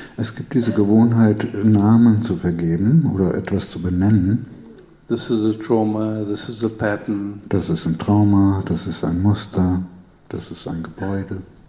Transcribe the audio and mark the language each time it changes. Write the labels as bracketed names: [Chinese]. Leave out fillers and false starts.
[German] Es gibt diese Gewohnheit, Namen zu vergeben oder etwas zu benennen. [English] This is a trauma, this is a pattern. [German] Das ist ein Trauma, das ist ein Muster, das ist ein Gebäude.